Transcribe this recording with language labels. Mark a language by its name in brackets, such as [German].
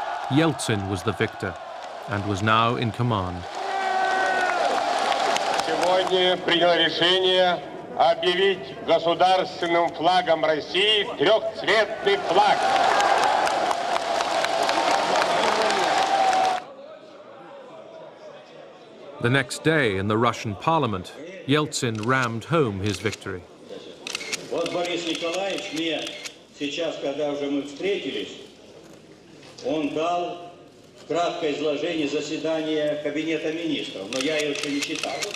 [English] Yeltsin was the victor and was now in command. [Russian] Сегодня принял решение объявить государственным флагом России трехцветный флаг. [English] The next day in the Russian parliament, Yeltsin rammed home his victory. [Russian] Вот Борис Николаевич мне сейчас, когда уже мы встретились, он дал краткое изложение заседания кабинета министров, но я его еще не читал.